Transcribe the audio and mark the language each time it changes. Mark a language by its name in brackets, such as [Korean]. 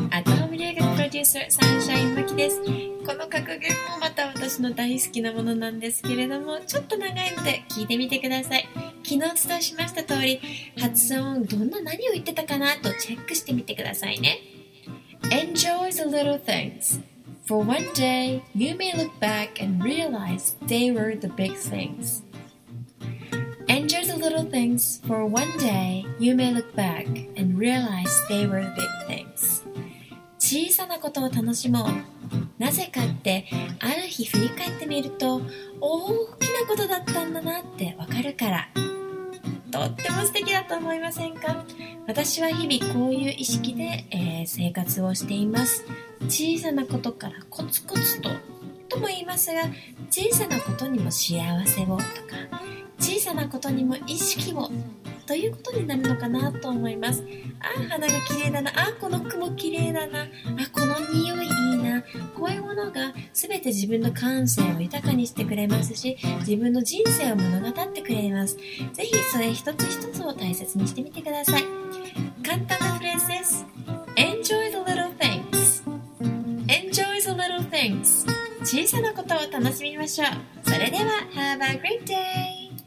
[Japanese] At home 留学プロデューサー、サンシャインマキです。この格言もまた私の大好きなものなんですけれども、ちょっと長いので聞いてみてください。昨日お伝えしました通り、発音、どんな何を言ってたかなとチェックしてみてくださいね。 [English] Enjoy the little things. For one day, you may look back and realize they were the big things. Enjoy the little things, for one day you may look back and realize they were big things. [Japanese] 小さなことを楽しもう。なぜかって、ある日振り返ってみると、大きなことだったんだなってわかるから。とっても素敵だと思いませんか？私は日々こういう意識で、生活をしています。小さなことからコツコツと、とも言いますが、小さなことにも幸せをとか、小さなことにも意識をということになるのかなと思います。あ、花が綺麗だな。あ、この雲綺麗だな。あ、この匂いいいな。こういうものが全て自分の感性を豊かにしてくれますし、自分の人生を物語ってくれます。ぜひそれ一つ一つを大切にしてみてください。簡単なフレーズです。 [English] Enjoy the little things. Enjoy the little things. [Japanese] 小さなことを楽しみましょう。それでは [English] Have a great day.